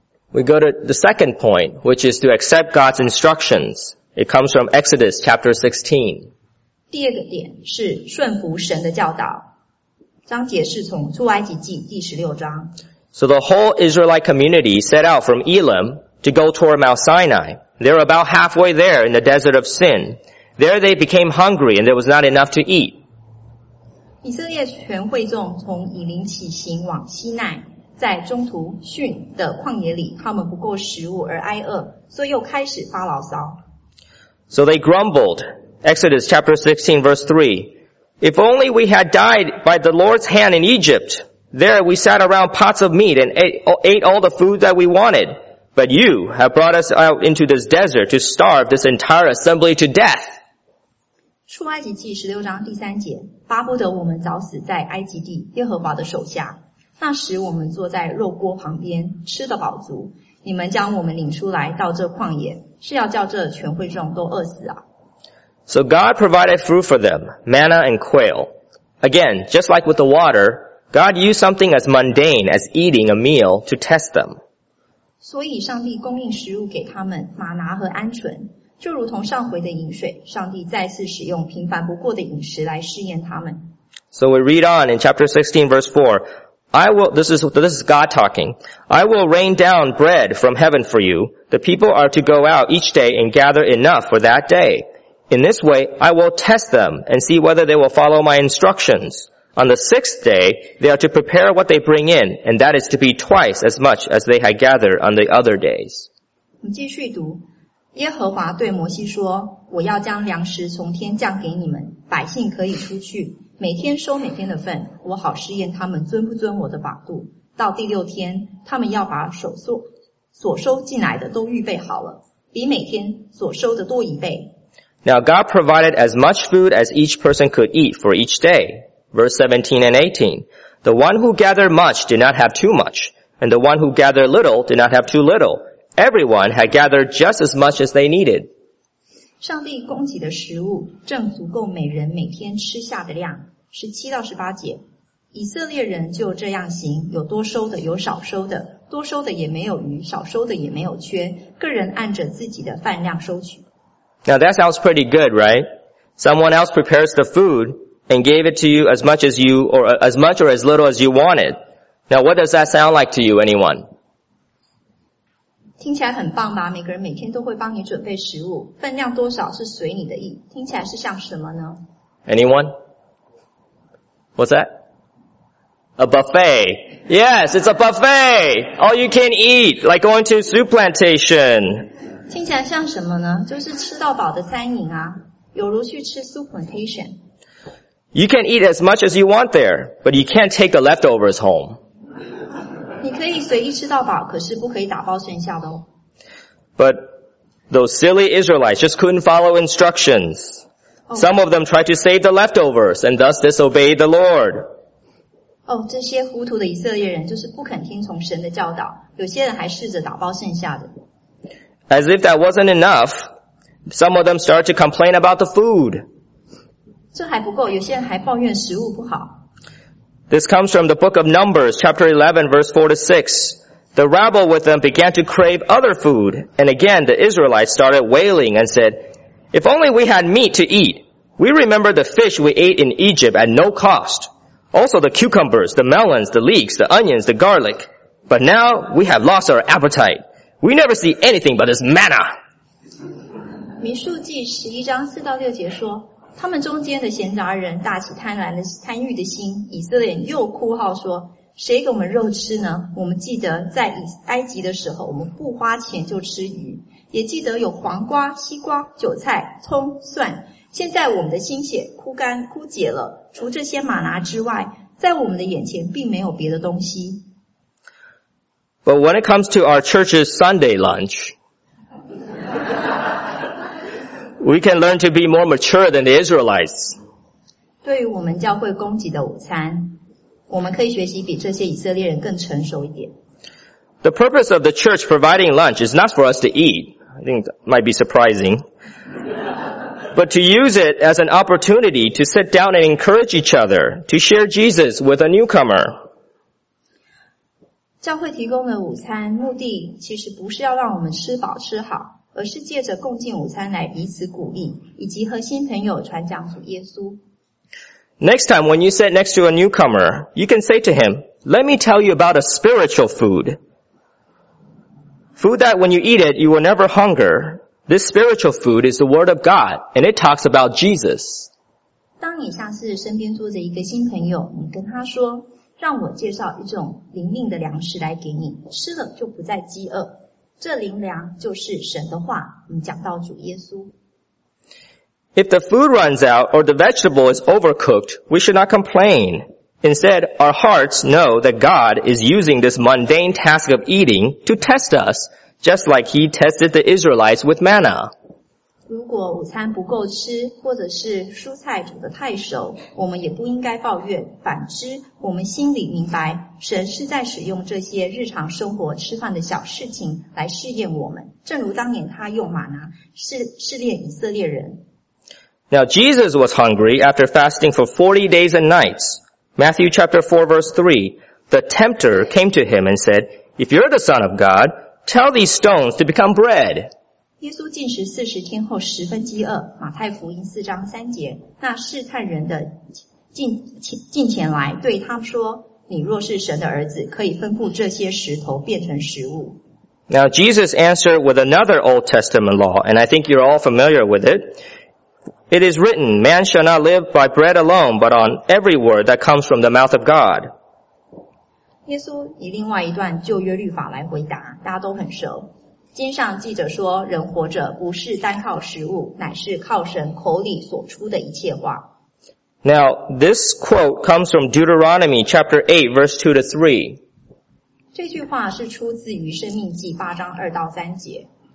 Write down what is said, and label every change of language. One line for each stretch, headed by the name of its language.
English: We go to the second point, which is to accept God's instructions. It comes from Exodus chapter 16.
Chinese: 第二个点是顺服神的教导。章节是从出埃及记第十六章。
English: So the whole Israelite community set out from Elim to go toward Mount Sinai. They're about halfway there in the desert of Sin. There they became hungry and there was not enough to eat.
Chinese: 以色列全会众从以林起行往西奈，在中途逊的旷野里，他们不够食物而挨饿，所以又开始发牢骚。
English: So they grumbled. Exodus chapter 16 verse 3. If only we had died by the Lord's hand in Egypt. There we sat around pots of meat and ate all the food that we wanted. But you have brought us out into this desert to starve this entire assembly to death.
Chinese: 出埃及记十六章第三节，巴不得我们早死在埃及地耶和华的手下。那时我们坐在肉锅旁边，吃得饱足。你们将我们领出来到这旷野，是要叫这全会众都饿死啊。
English: So God provided food for them, manna and quail. Again, just like with the water, God used something as mundane as eating a meal to test them.
Chinese: 所以上帝供应食物给他们，玛拿和鹌鹑，就如同上回的饮水，上帝再次使用平凡不过的饮食来试验他们。
English: So we read on in chapter 16 verse 4, This is God talking. I will rain down bread from heaven for you. The people are to go out each day and gather enough for that day. In this way, I will test them and see whether they will follow my instructions. On the sixth day, they are to prepare what they bring in, and that is to be twice as much as they had gathered on the other days.
Chinese: 我们继续读，耶和华对摩西说，我要将粮食从天降给你们，百姓可以出去，每天收每天的份，我好试验他们遵不遵我的法度。到第六天，他们要把所收进来的都预备好了，比每天所收的多一倍。
English: Now God provided as much food as each person could eat for each day. Verse 17 and 18. The one who gathered much did not have too much, and the one who gathered little did not have too little. Everyone had gathered just as much as they needed.
Chinese: 上帝供给的食物正足够每人每天吃下的量。 17到18节，以色列人就这样行，有多收的，有少收的，多收的也没有余，少收的也没有缺，个人按着自己的饭量收取。
English: Now that sounds pretty good, right? Someone else prepares the food and gave it to you as much or as little as you wanted. Now what does that sound like to you, anyone?
Chinese: 听起来很棒吧，每个人每天都会帮你准备食物，分量多少是随你的意，听起来是像什么呢？
English: Anyone? What's that? A buffet. Yes, it's a buffet. All you can eat, like going to soup plantation.
Chinese: 听起来像什么呢？就是吃到饱的餐饮啊，有如去吃 soup plantation。
English: You can eat as much as you want there, but you can't take the leftovers home.
Chinese: 你可以随意吃到饱，可是不可以打包剩下的哦。
English: But those silly Israelites just couldn't follow instructions. Some of them tried to save the leftovers and thus disobeyed the Lord.
Chinese: 哦，这些糊涂的以色列人就是不肯听从神的教导，有些人还试着打包剩下的。
English: As if that wasn't enough, some of them started to complain about the food.
Chinese: 这还不够，有些人还抱怨食物不好。
English: This comes from the book of Numbers, chapter 11, verse 4 to 6. The rabble with them began to crave other food, and again the Israelites started wailing and said, If only we had meat to eat. We remember the fish we ate in Egypt at no cost. Also the cucumbers, the melons, the leeks, the onions, the garlic. But now we have lost our appetite. We never see anything but this manna.
Chinese: 民数记十一章四到六节说，他们中间的闲杂人大起贪欲的心，以色列人又哭号说，谁给我们肉吃呢？我们记得在埃及的时候，我们不花钱就吃鱼，也记得有黄瓜、西瓜、韭菜、葱、蒜。现在我们的心血枯干枯竭了，除这些玛拿之外，在我们的眼前并没有别的东西。
English: But when it comes to our church's Sunday lunch, we can learn to be more mature than the Israelites.
Chinese: 对于我们教会供给的午餐，我们可以学习比这些以色列人更成熟一点。
English: The purpose of the church providing lunch is not for us to eat. I think that might be surprising. But to use it as an opportunity to sit down and encourage each other, to share Jesus with a newcomer.
Chinese: 教会提供的午餐目的其实不是要让我们吃饱吃好，而是借着共进午餐来彼此鼓励，以及和新朋友传讲主耶稣。
English: Next time when you sit next to a newcomer, you can say to him, Let me tell you about a spiritual food. Food that when you eat it, you will never hunger. This spiritual food is the word of God, and it talks about Jesus.
Chinese: 当你下次身边坐着一个新朋友，你跟他说让我介绍一种灵命的粮食来给你，吃了就不再饥饿。这灵粮就是神的话，你讲到主耶稣。
English: If the food runs out or the vegetable is overcooked, we should not complain. Instead, our hearts know that God is using this mundane task of eating to test us, just like he tested the Israelites with manna.
Chinese: 如果午餐不够吃，或者是蔬菜煮得太熟，我们也不应该抱怨。反之，我们心里明白，神是在使用这些日常生活吃饭的小事情来试验我们，正如当年他用玛拿试炼以色列人。
English: Now Jesus was hungry after fasting for 40 days and nights. Matthew chapter 4 verse 3, the tempter came to him and said, If you're the son of God, tell these stones to become bread.
Chinese: 耶稣禁食四十天后十分饥饿，马太福音四章三节，那试探人的近前来对他说，你若是神的儿子，可以吩咐这些石头变成食物。
English: Now Jesus answered with another Old Testament law, and I think you're all familiar with it. It is written, man shall not live by bread alone, but on every word that comes from the mouth of God.
Chinese: 耶稣以另外一段旧约律法来回答，大家都很熟。经上记着说，人活着不是单靠食物，乃是靠神口里所出的一切话。
English: Now, this quote comes from Deuteronomy chapter 8, verse 2 to 3.
Chinese: 这句话是出自于《生命记》八章二到三节。